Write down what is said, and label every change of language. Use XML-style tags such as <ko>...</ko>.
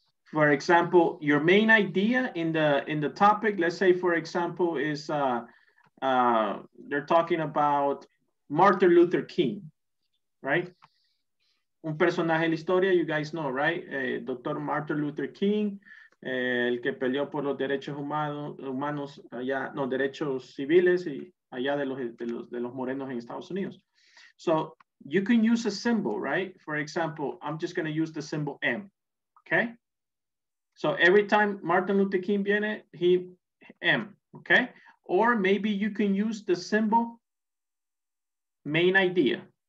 <en>For example, your main idea in the topic, let's say, for example, is they're talking about Martin Luther King, right?</en> <es>Un personaje de la historia,</es> <en>you guys know, right?</en> <es>Dr. Martin Luther King, el que peleó por los derechos humanos allá, no, derechos civiles y allá de los morenos en Estados Unidos.</es> <en>So you can use a symbol, right? For example, I'm just going to use the symbol M, okay? So every time Martin Luther King viene, he M, okay? Or maybe you can use the symbol main idea.</en>